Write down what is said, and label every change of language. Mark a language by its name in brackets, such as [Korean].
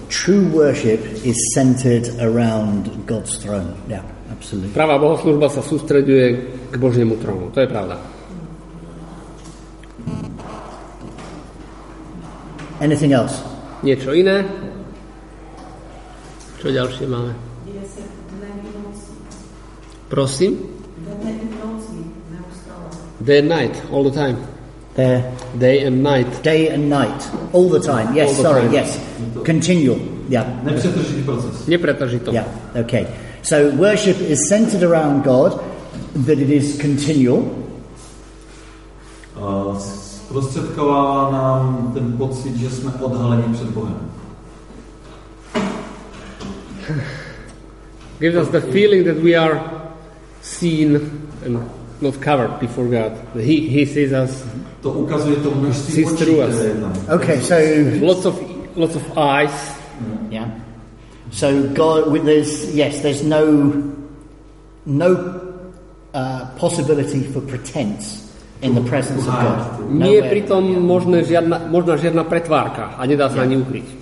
[English] True worship is centered around God's throne. Yeah, absolutely. [Slovak] Pravá bohoslužba sa sústreďuje k Božiemu trónu. To je pravda. [English] Anything else? [Slovak] Niečo iné? Čo ďalšie máme? Prosím? [English] Day and night, all the time. Day and night. Day and night. All the time. Yes, the sorry, time. Yes. Continual. Yeah. [Slovak] Nepretržitý [English] proces. Yeah, okay. So worship is centered around God, that it is continual. [Czech] Sprostředkovává nám ten pocit, že jsme odhaleni před Bohem. [English] Gives us the feeling that we are seen and not covered before God. He sees us. [Czech] To ukazuje to množství očí, které je nám. [English] Okay, so lots of eyes. Yeah. So God with this, yes, there's no possibility for pretense in the presence of God. [Slovak] Nie je pritom možná žiadna pretvárka, a nedá sa ani ukryť.